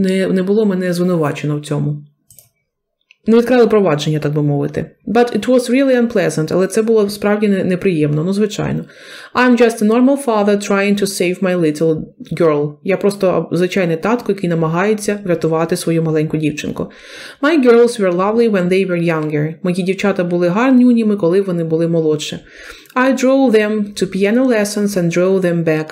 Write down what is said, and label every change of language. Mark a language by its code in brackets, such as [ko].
[uk] не було мене звинувачено в цьому. Не відкрали провадження, так би мовити. [en] But it was really unpleasant. [uk] Але це було справді неприємно. Ну, звичайно. [en] I'm just a normal father trying to save my little girl. [uk] Я просто звичайний татко, який намагається врятувати свою маленьку дівчинку. [en] My girls were lovely when they were younger. [uk] Мої дівчата були гарнюніми, коли вони були молодші. [en] I drove them to piano lessons and drove them back.